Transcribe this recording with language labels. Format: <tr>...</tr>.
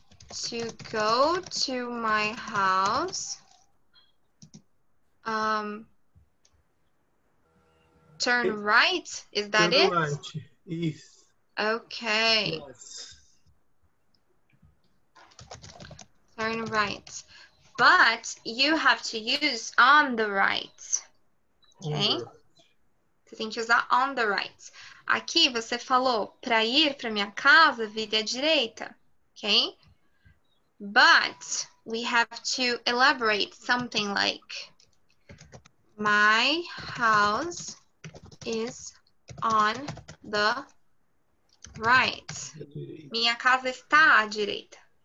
<en>To go to my house, turn right, is that it? Turn right, yes. Okay. Yes. Turn right. But you have to use on the right, okay?</en> <pt>Você tem que usar</pt> <en>on the right.</en> <pt>Aqui você falou, para ir para minha casa, vire à direita, okay?</pt> <en>But we have to elaborate something like, my house is on the right.</en> <pt>Minha casa está à direita.</pt>